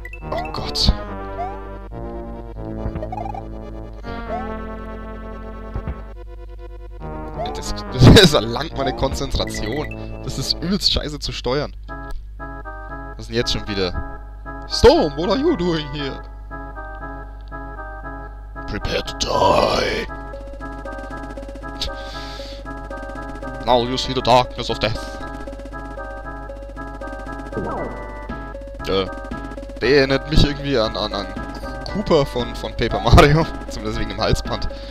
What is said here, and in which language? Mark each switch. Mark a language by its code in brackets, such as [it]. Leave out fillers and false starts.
[de] Oh Gott. Das erlangt meine Konzentration. Das ist übelst scheiße zu steuern. Was ist denn jetzt schon wieder? [en] Storm, what are you doing here? Prepare to die. Now you see the darkness of death. [de] Der erinnert mich irgendwie an Cooper von Paper Mario. Zumindest wegen dem Halsband.